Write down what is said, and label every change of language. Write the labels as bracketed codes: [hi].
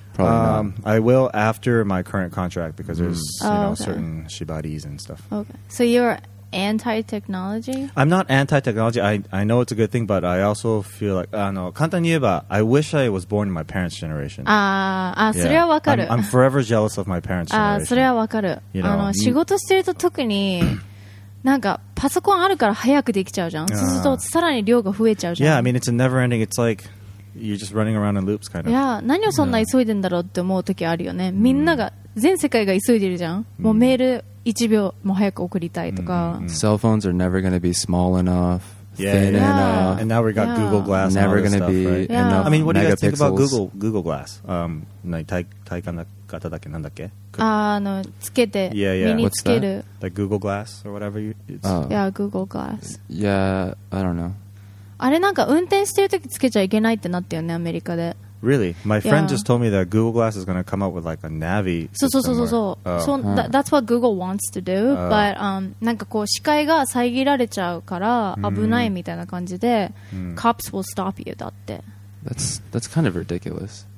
[en] I will after my current contract because there's、mm. you know, okay. certain shibaris and stuff. Okay. So you're anti-technology? I'm not anti-technology. I know it's a good thing, but I also feel like, I wish I was born in my parents' generation. Ah, yeah. [ja] それはわかる。 [en] I'm forever jealous of my parents' generation. [ja] それはわかる。 [en] You know, [ja] 仕事してると特に、なんかパソコンあるから早くできちゃうじゃん。 そうするとさらに量が増えちゃうじゃん。 [en] Yeah, I mean, it's a never-ending. It's like... You're just running around in loops, kind of. [ja] Yeah, 何をそんな急いでんだろうって思う時あるよね。みんなが、全世界が急いでるじゃん。もうメール1秒も早く送りたいとか。 [en] Cell phones are never going to be small enough, thin enough. And now we've got Google Glass. Never going to be enough. I mean, what do you guys think about Google Glass? [ja] 体感型だけなんだっけ？つけて、身につける。 [en] The Google Glass or whatever it's. Yeah, Google Glass. Yeah, I don't know. [ja] あれなんか運転してるときつけちゃいけないってなったよね、アメリカで。 [en] Really? My friend、yeah. just told me that Google Glass is going to come out with like a Navi system. [ja] そう、 [en] so that's what Google wants to do、but [ja] なんかこう視界が遮られちゃうから危ないみたいな感じで、 [en] Cops will stop you [ja] だって。 [en] That's kind of ridiculous.